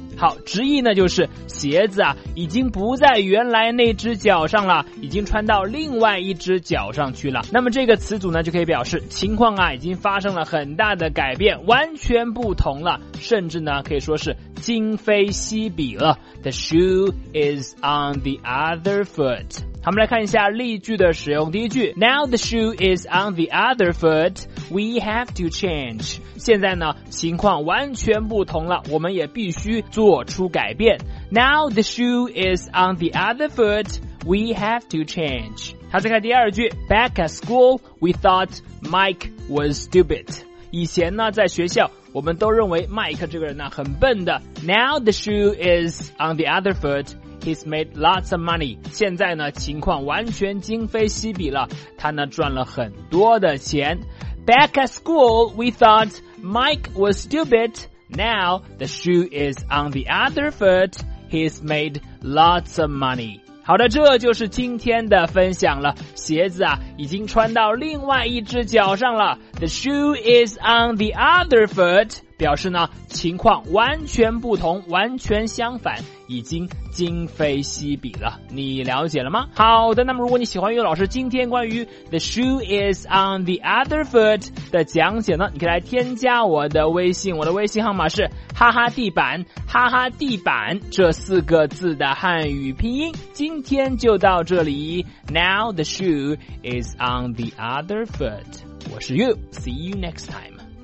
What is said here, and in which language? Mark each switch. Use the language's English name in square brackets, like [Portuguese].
[Chinese] 好，直译呢就是鞋子啊已经不在原来那只脚上了，已经穿到另外一只脚上去了。那么这个词组呢就可以表示情况啊已经发生了很大的改变，完全不同了，甚至呢可以说是今非昔比了。 [English] The shoe is on the other foot。 [Chinese] 好，我们来看一下例句的使用。第一句， [English] Now the shoe is on the other foot, we have to change。 [Chinese] 现在呢情况完全不同了，我们也必须做出改变。 [English] Now the shoe is on the other foot, we have to change。 [Chinese] 好，再看第二句， [English] Back at school, we thought Mike was stupid。 [Chinese] 以前呢在学校我们都认为麦克这个人呢很笨的。 [English] Now the shoe is on the other foot, he's made lots of money。 [Chinese] 现在呢情况完全今非昔比了，他呢赚了很多的钱。 [English] Back at school, we thought Mike was stupid。 Now the shoe is on the other foot, he's made lots of money。 [Chinese] 好的，这就是今天的分享了，鞋子啊已经穿到另外一只脚上了。 [English] The shoe is on the other foot [Chinese] 表示呢情况完全不同，完全相反，已经今非昔比了，你了解了吗？好的，那么如果你喜欢于老师今天关于 [English] The shoe is on the other foot [Chinese] 的讲解呢，你可以来添加我的微信，我的微信号码是哈哈地板，哈哈地板这四个字的汉语拼音。今天就到这里， [English] Now the shoe is on the other foot。 [Chinese] 我是 [English] You, see you next time。